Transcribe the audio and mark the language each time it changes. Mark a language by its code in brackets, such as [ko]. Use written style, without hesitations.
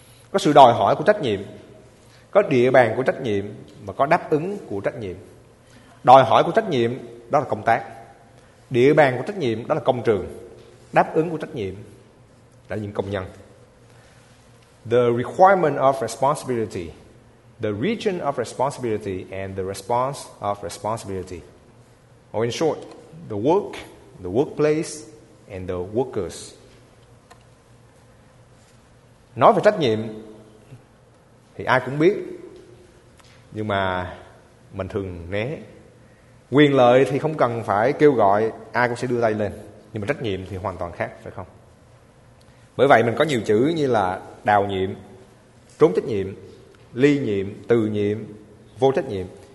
[vi] Có sự đòi hỏi của trách nhiệm, có địa bàn của trách nhiệm và có đáp ứng của trách nhiệm. Đòi hỏi của trách nhiệm đó là công tác, địa bàn của trách nhiệm đó là công trường, đáp ứng của trách nhiệm là những công nhân. [en] The requirement of responsibility, the region of responsibility and the response of responsibility. Or in short, the work, the workplace and the workers. [vi] Nói về trách nhiệm thì ai cũng biết, nhưng mà mình thường né. Quyền lợi thì không cần phải kêu gọi, ai cũng sẽ đưa tay lên. Nhưng mà trách nhiệm thì hoàn toàn khác, phải không? Bởi vậy mình có nhiều chữ như là đào nhiệm, trốn trách nhiệm, ly nhiệm, từ nhiệm, vô trách nhiệm.